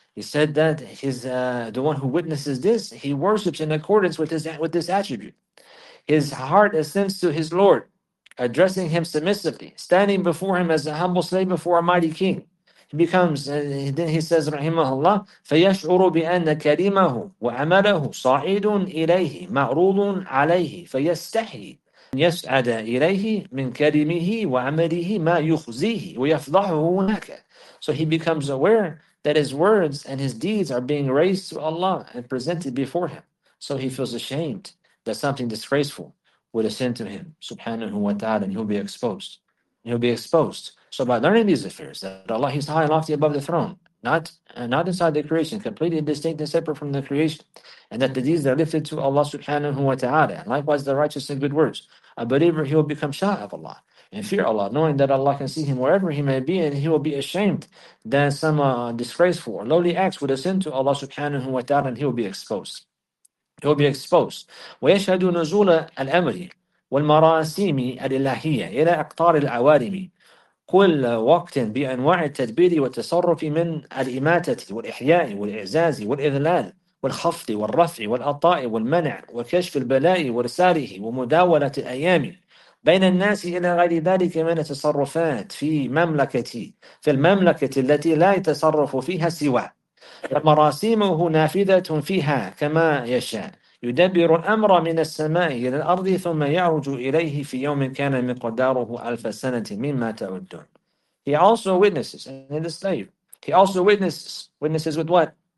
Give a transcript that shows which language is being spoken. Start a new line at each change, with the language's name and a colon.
English: He said that the one who witnesses this, he worships in accordance with this attribute. His heart ascends to his Lord, addressing him submissively, standing before him as a humble slave before a mighty king. He becomes, then he says,
Arabic: Rahimahullah, فَيَشْعُرُ بِأَنَّ كَلِمَهُ وَعَمَلَهُ صَعِيدٌ إِلَيْهِ مَعْرُوضٌ عَلَيْهِ فَيَسْتَحِي يَسْعَدَ إِلَيْهِ مِنْ كَلِمِهِ وَعَمَلِهِ مَا يُخْزِيهِ وَيَفْضَحُهُ هُنَكَ.
English: So he becomes aware that his words and his deeds are being raised to Allah and presented before him. So he feels ashamed that something disgraceful would ascend to him, subhanahu wa ta'ala, and he'll be exposed. He'll be exposed. So by learning these affairs, that Allah is high and lofty above the throne, not inside the creation, completely distinct and separate from the creation, and that the deeds are lifted to Allah subhanahu wa ta'ala, and likewise the righteous and good words, a believer, he will become shy of Allah and fear Allah, knowing that Allah can see him wherever he may be, and he will be ashamed that some disgraceful or lowly acts would ascend to Allah subhanahu wa ta'ala, and he will be exposed. He will be exposed.
Arabic: ويشهد نزول الأمر والمراسيم الإلهية إلى أقطار العوالم كل وقت بأنواع التدبير والتصرف من الإماتة والإحياء والإعزاز والإذلال والخفض والرفع والعطاء والمنع وكشف البلاء وإرساله ومداولة الأيام بين الناس إلى غير ذلك من التصرفات في المملكة التي لا يتصرف فيها سواه. مراسيمه نافذة فيها كما يشاء يدبر الأمر من السماء إلى الأرض ثم يعرج إليه في يوم كان من قداره ألف سنة مما تعدون.
English: He also witnesses and in the slave. He also witnesses with what?